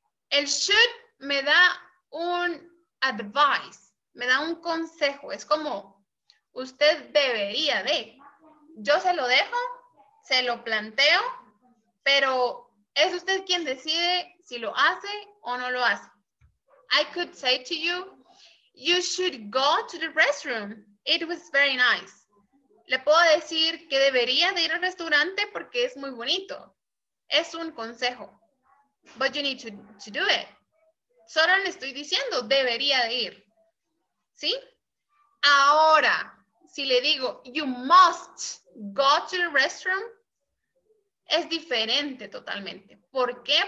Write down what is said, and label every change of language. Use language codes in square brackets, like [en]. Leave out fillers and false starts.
[es] El should me da un advice, me da un consejo. Es como, usted debería de. Yo se lo dejo, se lo planteo, pero es usted quien decide si lo hace o no lo hace. [en] I could say to you, you should go to the restroom. It was very nice. [es] Le puedo decir que debería de ir al restaurante porque es muy bonito. Es un consejo. [en] But you need to do it. [es] Solo le estoy diciendo, debería de ir. ¿Sí? Ahora, si le digo, [en] you must go to the restroom, [es] es diferente totalmente. ¿Por qué?